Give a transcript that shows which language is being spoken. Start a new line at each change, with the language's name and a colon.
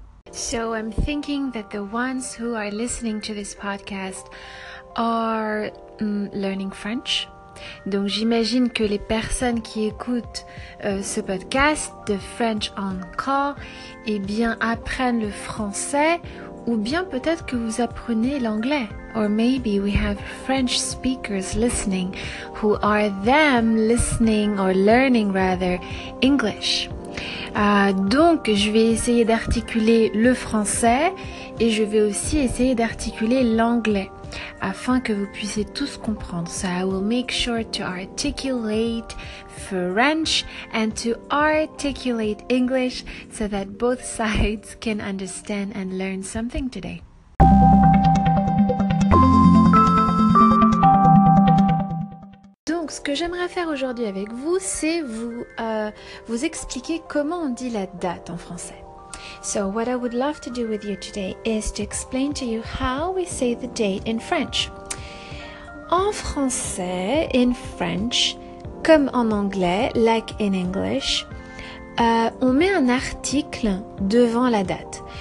English: So I'm thinking that the ones who are listening to this podcast are learning French.
French: Donc j'imagine que les personnes qui écoutent ce podcast de French Encore, eh bien apprennent le français ou bien peut-être que vous apprenez l'anglais.
English: Or maybe we have French speakers listening who are them listening or learning rather English.
French: Donc je vais essayer d'articuler le français et je vais aussi essayer d'articuler l'anglais afin que vous puissiez tous comprendre.
English: So I will make sure to articulate French and to articulate English so that both sides can understand and learn something today.
French: Donc, ce que j'aimerais faire aujourd'hui avec vous, c'est vous expliquer comment on dit la date en français.
English: So, what I would love to do with you today is to explain to you how we say the date in French.
French: En français,
English: in French,
French: comme en anglais,
English: like in English,
French: on met un article devant la date.